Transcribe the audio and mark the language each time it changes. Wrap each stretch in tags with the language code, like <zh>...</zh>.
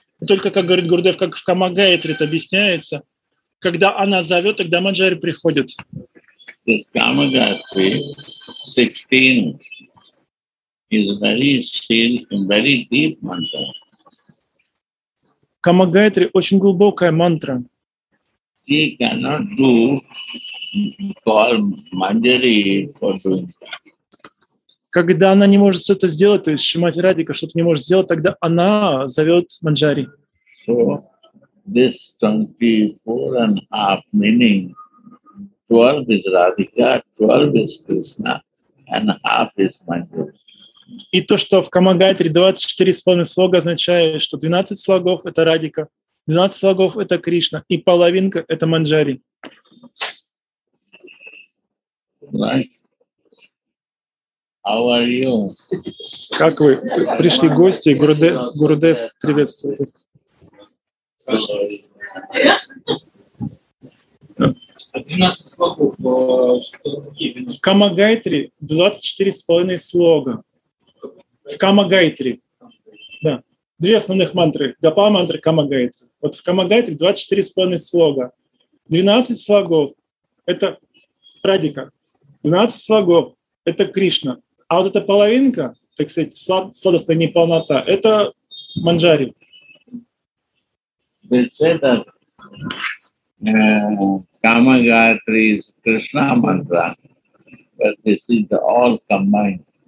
<ru>И только, как говорит Гурдев, как в Камагайтре это объясняется, когда она зовет, тогда Манджари приходит.</ru> <en>This Камагайтре 16 is very silk and very deep mantra.</en> <ru>Камагайтре очень глубокая мантра.</ru> <en>She cannot do call Manjari for doing that.</en> <ru>Когда она не может что-то сделать, то есть Шримати Радика что-то не может сделать, тогда она зовет Манджари.</ru> <en>So this 24 and half meaning 12 is Radhika, 12 is Krishna, and half is Manjari.</en> <ru>И то, что в Камагайтре 24 словных слога означает, что 12 слогов — это Радика, 12 слогов — это Кришна, и половинка — это Манджари.</ru> <en>Right. How are you?</en> <ru>Как вы? Пришли гости, Гурудев приветствует. В Камагайтре 24 с половиной слога. В Камагайтре. Да. Две основных мантры. Гапа мантры, Камагайтре. Вот в Камагайтре 24 с половиной слога. 12 слогов — это Радика. 12 слогов — это Кришна. А вот эта половинка, так сказать, сладостная неполнота — это Манджари.</ru> <en>They say that Kamagatri is Krishna mantra, but this is all combined.</en>